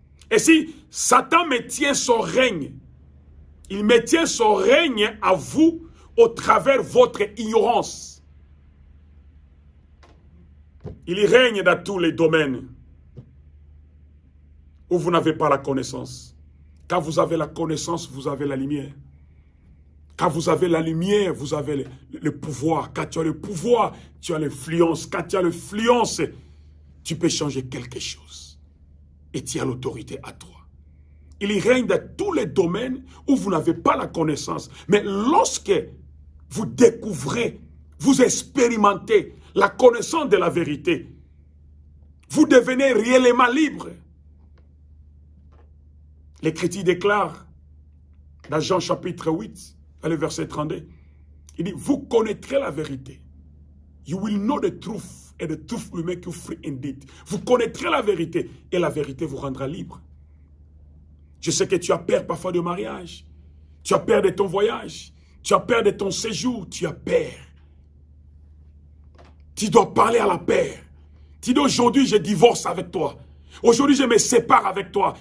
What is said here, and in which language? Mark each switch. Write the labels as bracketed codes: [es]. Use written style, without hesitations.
[fr] Et si Satan maintient son règne, il maintient son règne à vous au travers de votre ignorance. Il règne dans tous les domaines où vous n'avez pas la connaissance. Quand vous avez la connaissance, vous avez la lumière. Quand vous avez la lumière, vous avez le pouvoir. Quand tu as le pouvoir, tu as l'influence. Quand tu as l'influence, tu peux changer quelque chose. Et tu as l'autorité à toi. Il règne dans tous les domaines où vous n'avez pas la connaissance. Mais lorsque vous découvrez, vous expérimentez la connaissance de la vérité, vous devenez réellement libre. L'Écriture déclare, dans Jean chapitre 8, le verset 32, il dit, vous connaîtrez la vérité. [en] You will know the truth and the truth will make you free indeed. [fr] Vous connaîtrez la vérité et la vérité vous rendra libre. Je sais que tu as peur parfois de mariage. Tu as peur de ton voyage. Tu as peur de ton séjour. Tu as peur. Tu dois parler à la peur. Tu dis aujourd'hui, je divorce avec toi. Aujourd'hui, je me sépare avec toi.